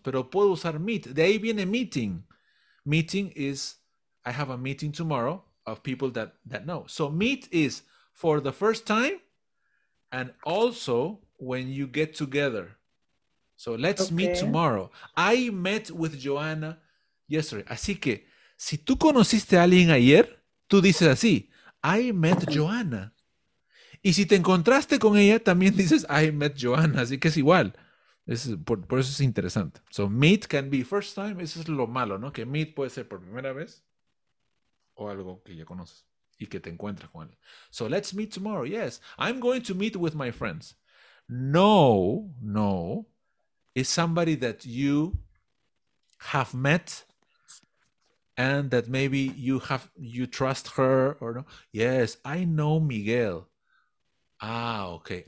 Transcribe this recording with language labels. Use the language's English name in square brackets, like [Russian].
[Spanish] Pero puedo usar meet. De ahí viene meeting. [English] Meeting is, I have a meeting tomorrow of people that know. So, meet is for the first time and also when you get together. So, let's meet tomorrow. I met with Joanna yesterday. [Spanish] Así que, si tú conociste a alguien ayer, tú dices así, [English] I met Joanna. [Spanish] Y si te encontraste con ella, también dices, [English] I met Joanna. [Spanish] Así que es igual. Por eso es interesante. [English] So, meet can be first time. [Spanish] Eso es lo malo, ¿no? Que meet puede ser por primera vez o algo que ya conoces y que te encuentras con él. [English] So, let's meet tomorrow. Yes, I'm going to meet with my friends. No, is somebody that you have met and that maybe you trust her or no. Yes, I know Miguel. Ah, okay.